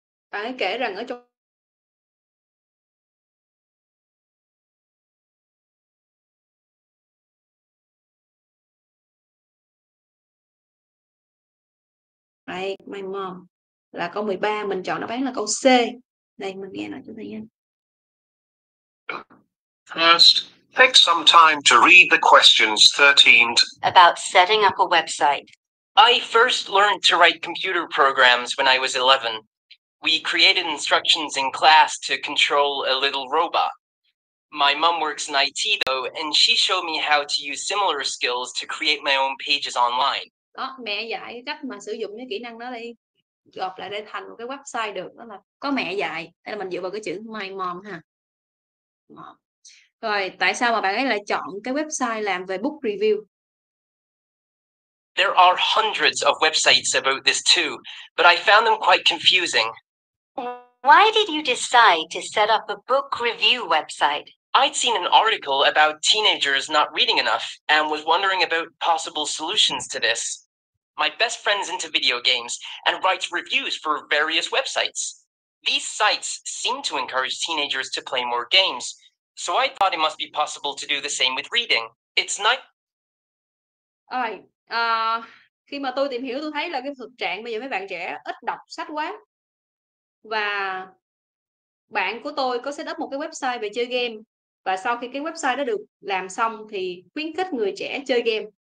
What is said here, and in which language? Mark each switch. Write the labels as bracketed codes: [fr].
[vi] Bạn ấy kể rằng ở trong đây, [en] my mom [vi] là câu 13, mình chọn đáp án là câu C. Đây, mình nghe nói cho thầy nha. [en] First, take some time to read the questions 13 about setting up a website. I first learned to write computer programs when I was 11. We created instructions in class to control a little robot. My mom works in IT though, and she showed me how to use similar skills to create my own pages online. [vi] Đó, mẹ dạy cách mà sử dụng những kỹ năng đó đi, gộp lại để thành một cái website được. Đó là có mẹ dạy. Đây là mình dựa vào cái chữ [en] my mom [vi] ha. Mom. Rồi, tại sao mà bạn ấy lại chọn cái website làm về book review? [en] There are hundreds of websites about this too, but I found them quite confusing. Why did you decide to set up a book review website? I'd seen an article about teenagers not reading enough and was wondering about possible solutions to this. My best friend's into video games and writes reviews for various websites. These sites seem to encourage teenagers to play more games. So I thought it must be possible to do the same with reading. It's not. [vi] Rồi, khi mà tôi tìm hiểu, tôi thấy là cái thực trạng bây giờ mấy bạn trẻ ít đọc sách quá. Và bạn của tôi có set up một cái website về chơi game. Và sau khi cái website đó được làm xong thì khuyến khích người trẻ chơi game.